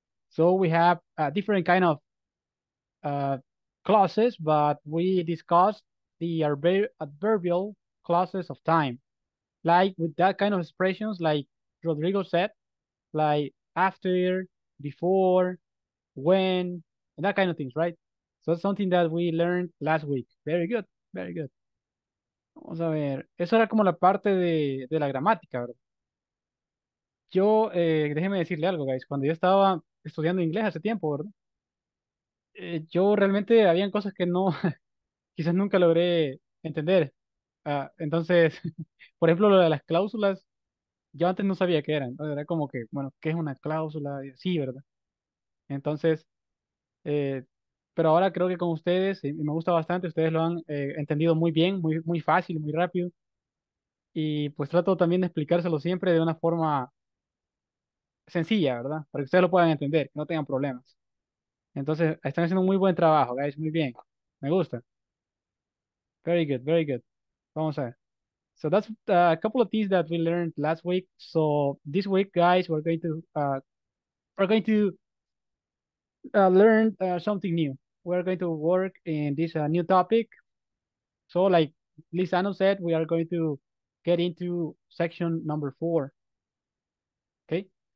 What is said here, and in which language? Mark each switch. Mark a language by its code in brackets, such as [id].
[en] So we have different kind of clauses, but we discussed the adverbial clauses of time, like with that kind of expressions, like Rodrigo said, like after, before, when, and that kind of things, right? So it's something that we learned last week. Very good, very good. [es] Vamos a ver, eso era como la parte de la gramática, ¿verdad? Yo, déjeme decirle algo, guys. Cuando yo estaba estudiando inglés hace tiempo, ¿verdad? Yo realmente, habían cosas que no, quizás nunca logré entender. Entonces, por ejemplo, lo de las cláusulas, yo antes no sabía qué eran. Era como que, bueno, ¿qué es una cláusula? Sí, ¿verdad? Entonces, pero ahora creo que con ustedes, y me gusta bastante, ustedes lo han entendido muy bien, muy, muy fácil, muy rápido. Y pues trato también de explicárselo siempre de una forma sencilla, ¿verdad? Para que ustedes lo puedan entender, que no tengan problemas. Entonces, están haciendo un muy buen trabajo, guys, muy bien. Me gusta. [en] Very good, very good. [es] Vamos a ver. [en] So that's a couple of things that we learned last week. So this week, guys, we're going to learn something new. We're going to work in this new topic. So like Lisano said, we are going to get into section number 4. Okay.